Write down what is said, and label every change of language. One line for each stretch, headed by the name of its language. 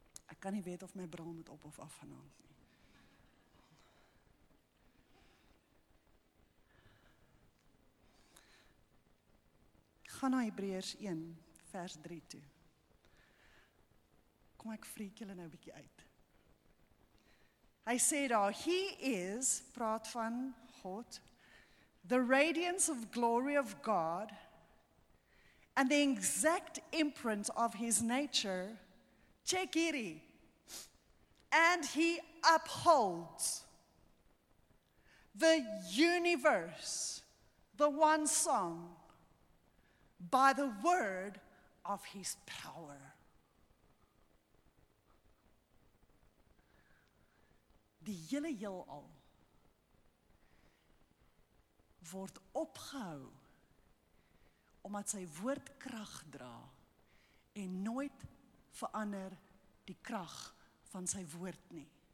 Afrikaans: Ek kan nie weet of my bril moet op of af gaan hang nie. Ga na Hebreërs 1 vers 3 toe. Kom ek freak julle nou 'n bietjie uit.
English: I said, oh, he is,
Afrikaans: praat van God,
English: the radiance of glory of God and the exact imprint of his nature, check it, and he upholds the universe, the one song, by the word of his power.
Afrikaans: Die hele heelal word opgehou omdat sy woord krag dra en nooit verander die krag van sy woord nie.